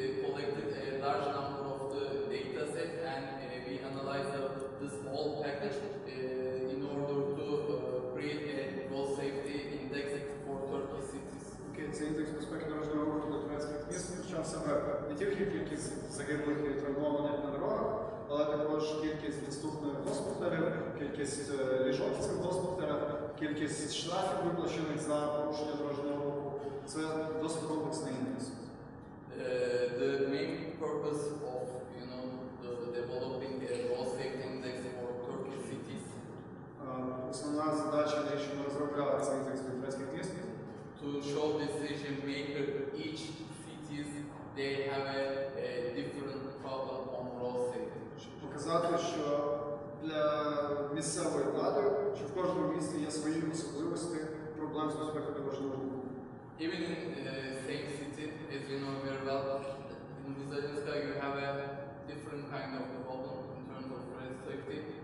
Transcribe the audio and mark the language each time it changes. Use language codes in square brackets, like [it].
[en] collected a large number of the data set and we analyzed this whole package in order to create a road safety index for Turkey cities. [uk] Okay, це індекс безпеки дорожнього руху для турецьких міст включав саме не тільки кількість загиблих і травмованих на дорогах, але також кількість доступних госпіталів, кількість ліжок цих госпіталів, кількість штрафів, виплачених за порушення дорожнього руху. Це досить комплексний індекс. [en] The main purpose of, you know, the developing a road safety index for Turkish cities. [uk] Основна задача, що ми розробляли цей індекс для турецьких міст. [en] To show decision maker each cities they have a different problem on road safety. [uk] Щоб показати, що для місцевої влади, що в кожному місті є свої особливості, проблем з безпекою дорожнього руху. [en] Even in same city, as you know very well, in Vizhinska you have a different kind of problem in terms of road safety.